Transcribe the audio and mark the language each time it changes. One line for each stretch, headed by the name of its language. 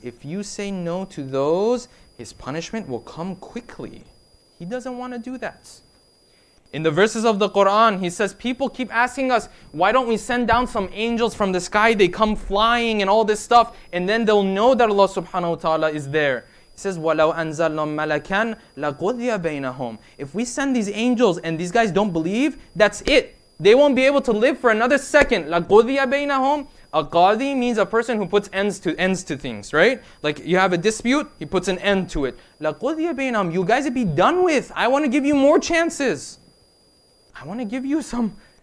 English: If you say no to those, His punishment will come quickly. He doesn't want to do that. In the verses of the Quran, He says, people keep asking us, why don't we send down some angels from the sky? They come flying and all this stuff. And then they'll know that Allah subhanahu wa ta'ala is there. It says,
Arabic: وَلَوْ أَنزَلْنَا مَلَكًا لَقُضِيَ بَيْنَهُمْ.
English: If we send these angels and these guys don't believe, that's it. They won't be able to live for another second.
Arabic: لَقُضِيَ بَيْنَهُمْ.
English: A qadi means a person who puts ends to things, right? Like you have a dispute, he puts an end to it.
Arabic: لَقُضِيَ بَيْنَهُمْ.
English: You guys would be done with. I want to give you more chances. I want to give you some